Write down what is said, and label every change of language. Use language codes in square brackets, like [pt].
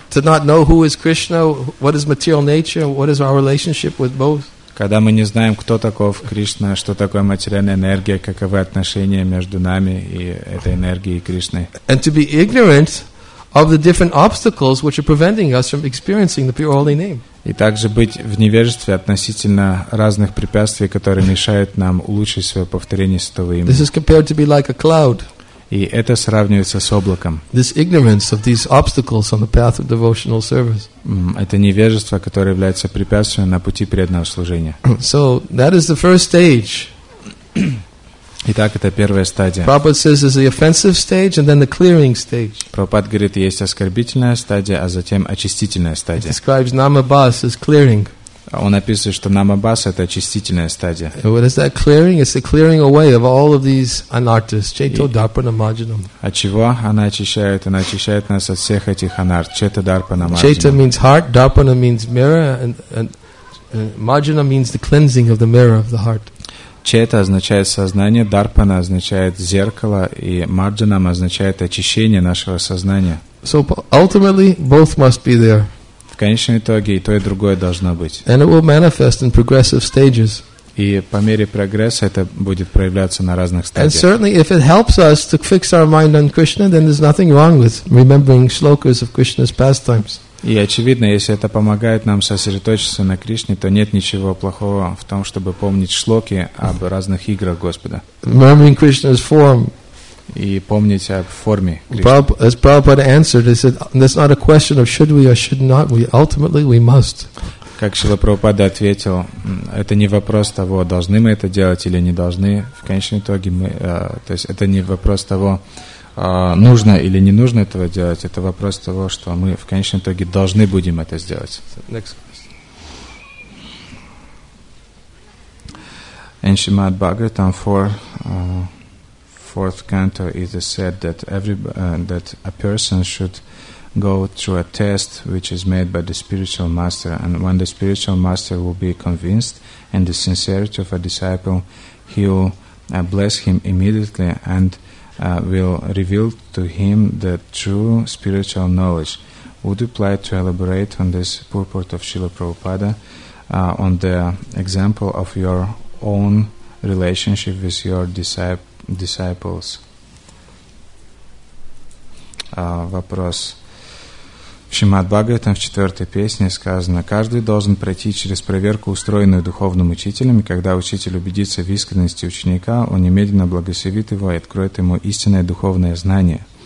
[en] To not know who is Krishna, what is material nature, what is our relationship with both. [ru] Когда мы не знаем, кто таков Кришна, что такое материальная энергия, каковы отношения между нами и этой энергией и Кришной. [en] And to be ignorant of the different obstacles which are preventing us from experiencing the pure holy name. [ru] И также быть в невежестве относительно разных препятствий, которые мешают нам улучшить свое повторение святого имени. [en] This is compared to be like a cloud. [ru] И это сравнивается с облаком. [en] This ignorance of these obstacles on the path of devotional service. [ru] Это невежество, которое является препятствием на пути преданного служения. [en] So that is the first stage. [ru] Итак, это первая стадия. [en] Prabhupada says there's the offensive stage and then the clearing stage. [ru] Прабхупад говорит, есть оскорбительная стадия, а затем очистительная стадия. [en] He describes Namabhas as clearing. [ru] Он описывает, что Намабаса – это очистительная стадия. [en] What is that clearing? It's the clearing away of all of these anarthas, cheto, dharpa, namajanam. [ru] От чего она очищает? Она очищает нас от всех этих анарт, чета, дарпа, намаджанам. [en] Cheta means heart, dharpana means mirror, and majana means the cleansing of the mirror of the heart. [ru] Чета означает сознание, дарпана означает зеркало, и марджанам означает очищение нашего сознания. [en] So ultimately, both must be there. [ru] В конечном итоге и то, и другое должно быть. [en] And it will manifest in progressive stages. [ru] И по мере прогресса это будет проявляться на разных стадиях. [en] And certainly, if it helps us to fix our mind on Krishna, then there's nothing wrong with remembering shlokas of Krishna's pastimes. [ru] И очевидно, если это помогает нам сосредоточиться на Кришне, то нет ничего плохого в том, чтобы помнить шлоки об разных играх Господа. [en] Remembering Krishna's form. [ru] И помнить о форме. [en] As Prabhupada answered, he said, "That's not a question of should we or should not. We ultimately we must." [ru] Как Шрила Прабхупада ответил, это не вопрос того, должны мы это делать или не должны. В конечном итоге мы, то есть это не вопрос того, нужно или не нужно этого делать. Это вопрос того, что мы в конечном итоге должны будем это сделать. [en] Next. In Shrimad Bhagavatam 4th canto, it is said that that a person should go through a test which is made by the spiritual master, and when the spiritual master will be convinced in the sincerity of a disciple, he will bless him immediately and will reveal to him the true spiritual knowledge. Would you like to elaborate on this purport of Srila Prabhupada on the example of your own relationship with your disciples. [ru] Вопрос. Шримад Бхагаватам в четвертой песне сказано: «Каждый должен пройти через проверку, устроенную духовным учителем, и когда учитель убедится в искренности ученика, он немедленно благословит его и откроет ему истинное духовное знание».